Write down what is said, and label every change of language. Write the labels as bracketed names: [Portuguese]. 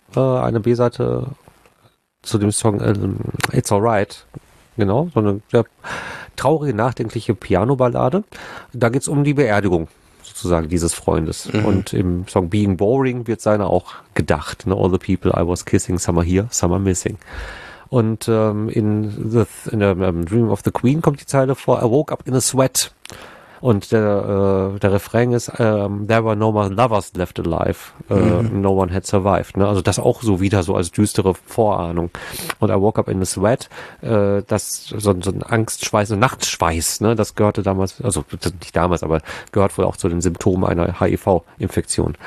[German] eine B-Seite zu dem Song It's Alright. Genau, so eine sehr traurige, nachdenkliche Piano-Ballade. Da geht es um die Beerdigung sozusagen dieses Freundes. Mhm. Und im Song Being Boring wird seiner auch gedacht. Ne? [English] All the people I was kissing, some are here, some are missing. [German] Und in Dream of the Queen kommt die Zeile vor, [English] I woke up in a sweat. [German] Und der Refrain ist, [English] there were no more lovers left alive, no one had survived. [German] Ne? Also das auch so wieder so als düstere Vorahnung. Und [English] I woke up in a sweat, [German] das so ein Angstschweiß, ein Nachtschweiß, ne? Das gehörte damals, also nicht damals, aber gehört wohl auch zu den Symptomen einer HIV-Infektion.